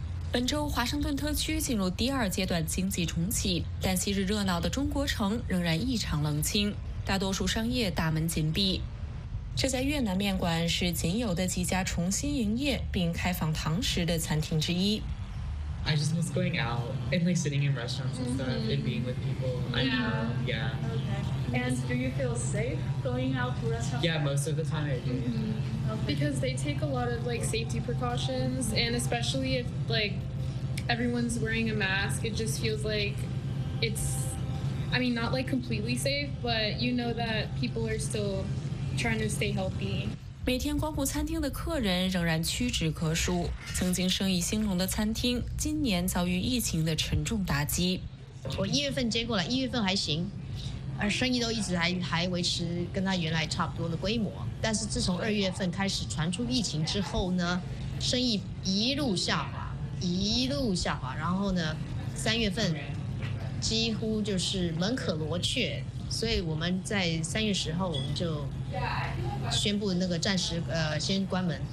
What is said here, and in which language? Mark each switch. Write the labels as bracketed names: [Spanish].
[Chinese] 本周华盛顿特区进入第二阶段经济重启，但昔日热闹的中国城仍然异常冷清，大多数商业大门紧闭。这家越南面馆是仅有的几家重新营业并开放堂食的餐厅之一。 [English] I just miss going out and like sitting in restaurants and stuff、mm-hmm. and being with people. Yeah. Okay. And do you feel safe going out to restaurants? Yeah, most of the time I do.、Mm-hmm. Because they take a lot of like safety precautions, and especially if like everyone's wearing a mask, it just feels like it's, I mean, not like completely safe, but you know that people are still trying to stay healthy. [Chinese] 每天光顾餐厅的客人仍然屈指可数，曾经生意兴隆的餐厅今年遭遇疫情的沉重打击。我1月份接过来，1月份还行，而生意都一直 还维持跟他原来差不多的规模，但是自从2月份开始传出疫情之后呢，生意一路下滑，然后呢3月份几乎就是门可罗雀，所以我们在3月10号我们就宣布那个暂时先关门。